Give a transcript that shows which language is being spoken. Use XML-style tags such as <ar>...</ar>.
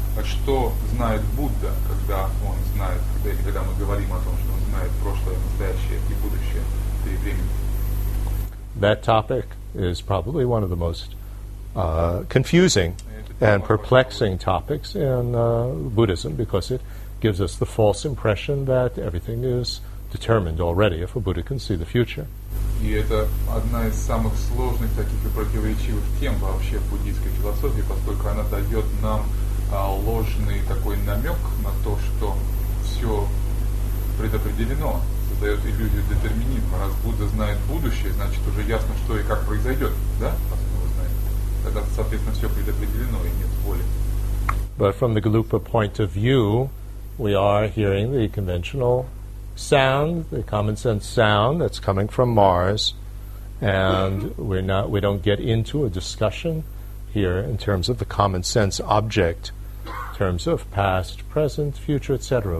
<ru>А что знает Будда, когда он знает, когда мы говорим о том, что он знает прошлое, настоящее и будущее перед временем?</ru> <en>That topic is probably one of the most confusing and perplexing topics in Buddhism, because it gives us the false impression that everything is determined already, if a Buddha can see the future.</en> <ru>И это одна из самых сложных таких и противоречивых тем вообще в буддийской философии, поскольку она дает нам ложный такой намек на то, что все предопределено, создает иллюзию детерминизма. Раз Будда знает будущее, значит уже ясно, что и как произойдет, да? Тогда, соответственно, все предопределено и нет воли.</ru> <en>But from the Galupa point of view, we are hearing the conventional sound, the common sense sound that's coming from Mars, and we don't get into a discussion here in terms of the common sense object, in terms of past, present, future, etc.</en>